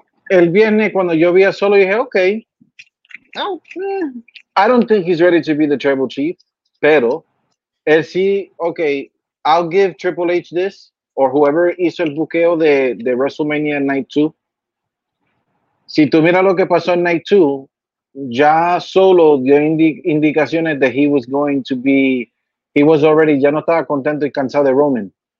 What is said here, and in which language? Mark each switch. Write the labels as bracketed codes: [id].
[es] El viernes cuando yo vi a Solo dije, ok. [en] I don't think he's ready to be the Tribal Chief. [es] Pero, él sí, [en] ok, I'll give Triple H this. [es] O whoever hizo el buqueo de WrestleMania Night 2. Si tú miras lo que pasó en Night 2, ya Solo dio indicaciones de [en] he was already, [es] ya no estaba contento y cansado de Roman.